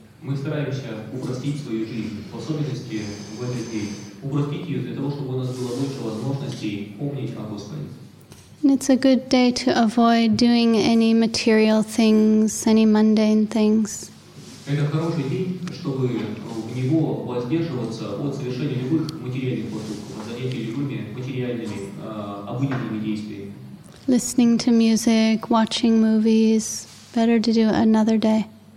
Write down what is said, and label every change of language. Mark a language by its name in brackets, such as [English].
[Russian] Мы стараемся упростить свою жизнь, в особенности в этот день, упростить ее для того, чтобы у нас было больше возможностей помнить о Господе. [English] And it's a good day to avoid doing any material things, any mundane things. [Russian] Это хороший день, чтобы в него воздерживаться от совершения любых материальных поступков, от занятий любыми материальными, обыденными действиями. [English] Listening to music, watching movies, better to do another day.